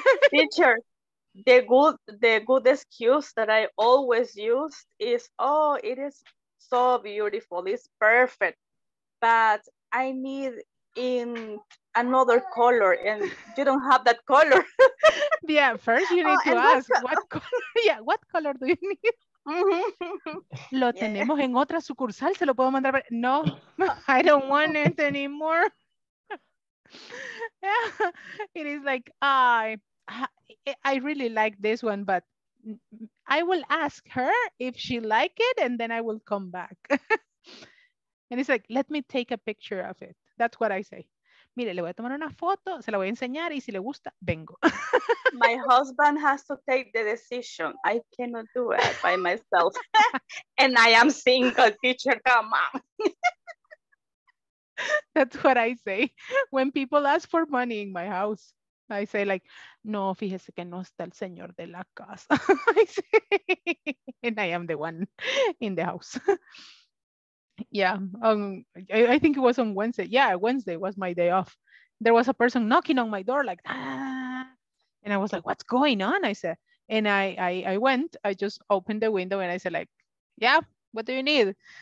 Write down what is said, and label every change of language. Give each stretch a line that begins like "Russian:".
English: Teacher, the good excuse that I always used is, oh, it is so beautiful. It's perfect. But I need in another color, and you don't have that color. Yeah, first you need what color do you need?
Spanish: Lo tenemos en otra sucursal, se lo puedo mandar.
English: No, I don't want it anymore. Yeah. It is like, I really like this one, but I will ask her if she like it, and then I will come back. And it's like, let me take a picture of it. That's what I say.
Spanish: Mire, le voy a tomar una foto, se la voy a enseñar, y si le gusta, vengo.
English: My husband has to take the decision. I cannot do it by myself. And I am single, teacher, come on. That's what I say when people ask for money in my house. I say like,
Spanish: no, fíjese que no está el señor de la casa.
English: I say, and I am the one in the house. Yeah, I think it was on Wednesday. Yeah, Wednesday was my day off. There was a person knocking on my door like, and I was like, what's going on? I said, and I went, I just opened the window and I said like, yeah, what do you need?